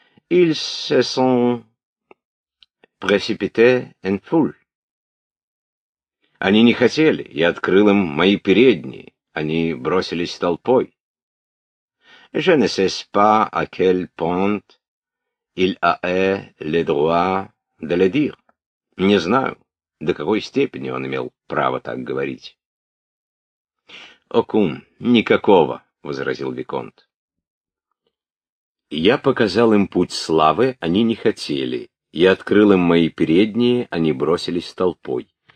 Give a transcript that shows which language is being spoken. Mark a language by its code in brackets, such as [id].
[fr] Ils se sont précipités en foule. [ru] Они не хотели, я открыл им мои передние. Они бросились толпой. [fr] Je ne sais pas à quel point il a le droit de le dire. [ru] Не знаю, до какой степени он имел право так говорить. Окум, никакого, — возразил виконт. Я показал им путь славы, они не хотели. Я открыл им мои передние, они бросились толпой.